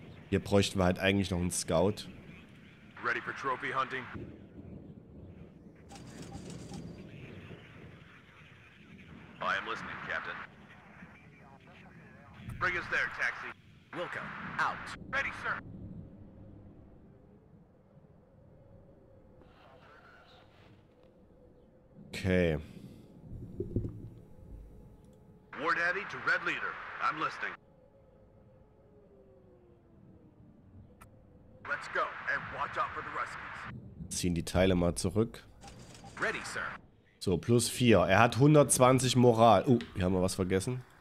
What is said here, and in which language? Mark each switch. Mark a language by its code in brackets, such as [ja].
[de] Hier bräuchten wir halt eigentlich noch einen Scout. [en] Ready for trophy hunting? I am listening, Captain. Bring us there, taxi. Wilco, out. Ready, sir. Okay. War Daddy to Red Leader. I'm listening. Let's go and watch out for the Ruskies. [de] Ziehen die Teile mal zurück. [en] Ready, sir. [de] So, plus 4. Er hat 120 Moral. Hier haben wir was vergessen.